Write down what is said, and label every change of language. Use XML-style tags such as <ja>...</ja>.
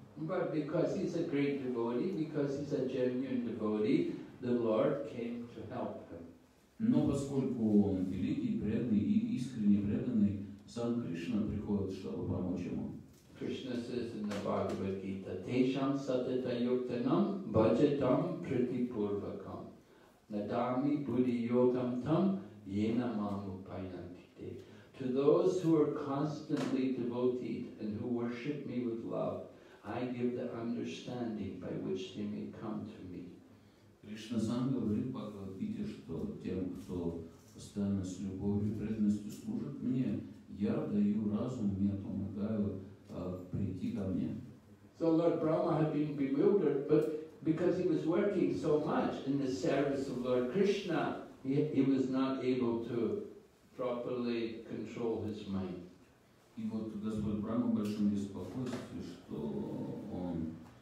<en>But because he's a great devotee, because he's a genuine devotee, the Lord came to help him.</en> <ru>Но поскольку он великий, преданный и искренне преданный, сам Кришна приходит, чтобы помочь ему.</ru> <en>Krishna says in the Bhagavad Gita,</en> <sa>Tesham satita yuktanam bhajatam pritipurvakam nadami buddhi yogam tam yena mamupayantite.</sa> <en>To those who are constantly devoted and who worship me with love, I give the understanding by which they may come to me.</en> <ru>Krishna сам говорит в Bhagavad Gita, что тем, кто постоянно с любовью и преданностью служит мне, я даю разум, мне помогаю прийти ко мне.</ru> <en>So Lord Brahma had been bewildered, but because he was working so much in the service of Lord Krishna, he was not able to properly control his mind.</en> <ru>И вот Господь Брама в большом беспокойстве, что он</ru>